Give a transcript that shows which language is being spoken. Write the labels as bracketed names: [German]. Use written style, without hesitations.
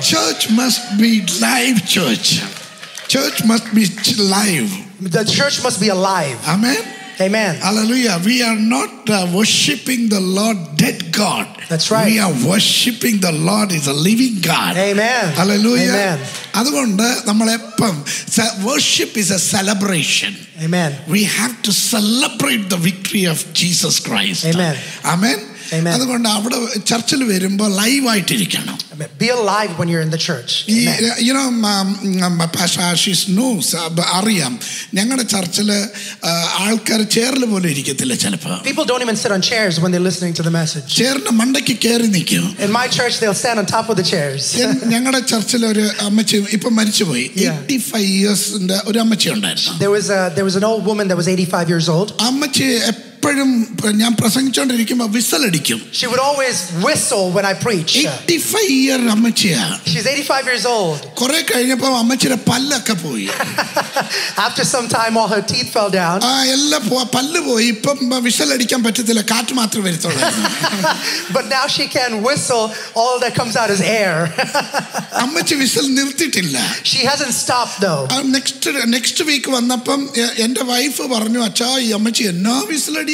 [English] Church must be live church. Church must be alive. The church must be alive. Amen. Amen. Hallelujah. We are not worshipping the Lord dead God. That's right. We are worshipping the Lord is a living God. Amen. Hallelujah. Amen. [Malayalam] അതുകൊണ്ട് നമ്മൾ എപ്പം [English] Worship is a celebration. Amen. We have to celebrate the victory of Jesus Christ. Amen. Amen. Amen. [Malayalam] അതുകൊണ്ട് അവിടെ ചർച്ചിൽ വരുമ്പോൾ live ആയിട്ടിരിക്കണം. [English] Be alive when you're in the church. You know, Pastor Ashish knows, [Malayalam] Ariam, ഞങ്ങളുടെ ചർച്ചിൽ ആൾക്കാർ ചെയറിൽ പോലും ഇരിക്കത്തില്ല ചിലപ്പോൾ. [English] People don't even sit on chairs when they're listening to the message. [Malayalam] ചെയറിന്റെ മണ്ടയ്ക്ക് കയറി നിൽക്കും. [English] In my church, they'll stand on top of the chairs. [Malayalam] ഞങ്ങളുടെ ചർച്ചിൽ ഒരു അമ്മച്ചി ഇപ്പം മരിച്ചുപോയി. 85 years ന്റെ ഒരു അമ്മച്ചി ഉണ്ടായിരുന്നു. [English] There was an old woman that was 85 years old. [Malayalam] അമ്മച്ചി ഞാൻ പ്രസംഗിച്ചോണ്ടിരിക്കുമ്പോ വിസലടിക്കും. [English] She would always whistle when I preach. [Malayalam] 85 year അമ്മച്ചിയാ. [English] She's 85 years old. [Malayalam] കുറെ കഴിഞ്ഞപ്പോ അമ്മച്ചിയുടെ പല്ലൊക്കെ പോയി. After some time all her teeth fell down. എല്ലാം പല്ല് പോയി. ഇപ്പം വിസലടിക്കാൻ പറ്റത്തില്ല, കാറ്റ് മാത്രം വരുത്തുള്ളൂ. [English] But now she can whistle, all that comes out is air. [Malayalam] അമ്മച്ചി whistle നിർത്തിയിട്ടില്ല. [English] She hasn't stopped though. [Malayalam] Next week വന്നപ്പം എന്റെ വൈഫ് പറഞ്ഞു, അച്ഛാ ഈ അമ്മച്ചി എന്നാ വിസിലടി.